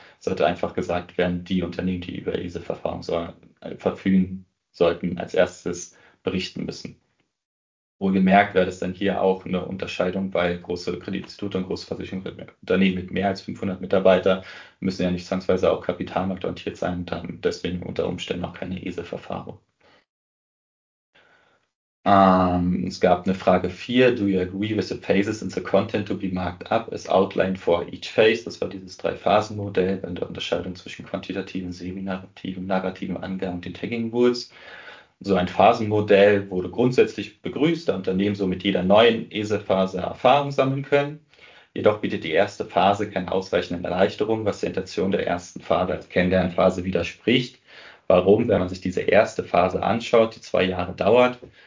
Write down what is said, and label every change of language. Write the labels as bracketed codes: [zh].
[de] Sollte einfach gesagt werden, die Unternehmen, die über diese Verfahren verfügen, sollten als erstes berichten müssen. Wohlgemerkt wäre das dann hier auch eine Unterscheidung, weil große Kreditinstitute und große Versicherungsunternehmen mit mehr als 500 Mitarbeitern müssen ja nicht zwangsweise auch kapitalmarktorientiert sein und haben deswegen unter Umständen auch keine ESEF-Erfahrung. Es gab eine Frage 4. [en] Do you agree with the phases in the content to be marked up as outlined for each phase? [de] Das war dieses Drei-Phasen-Modell in der Unterscheidung zwischen quantitativen, seminarativen, narrativen Angaben und den Tagging Rules. So ein Phasenmodell wurde grundsätzlich begrüßt, da Unternehmen so mit jeder neuen ESEF-Phase Erfahrung sammeln können. Jedoch bietet die erste Phase keine ausreichenden Erleichterungen, was der Intention der ersten Phase als Kennenlernphase widerspricht. Warum? Wenn man sich diese erste Phase anschaut, die 2 Jahre dauert,